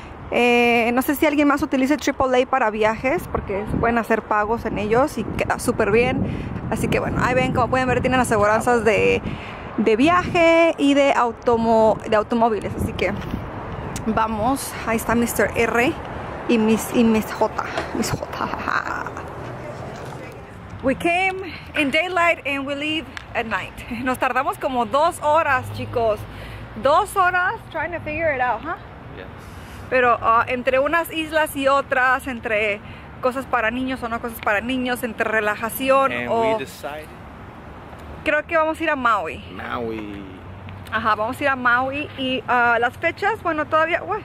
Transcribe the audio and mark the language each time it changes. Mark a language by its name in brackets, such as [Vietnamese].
[Spanish] No sé si alguien más utilice AAA para viajes, porque pueden hacer pagos en ellos y queda súper bien. Así que bueno, ahí ven, como pueden ver, tienen aseguranzas de viaje y de automóviles. Así que vamos, ahí está Mr. R y Miss J. Miss J. [English] We came in daylight and we leave at night. [Spanish] Nos tardamos como 2 horas, chicos. 2 horas [English] trying to figure it out, huh? Yes. [Spanish] Pero entre unas islas y otras, entre cosas para niños o no cosas para niños, entre relajación [English] and [Spanish] o... Creo que vamos a ir a Maui. Maui. Ajá, vamos a ir a Maui y las fechas, bueno, todavía...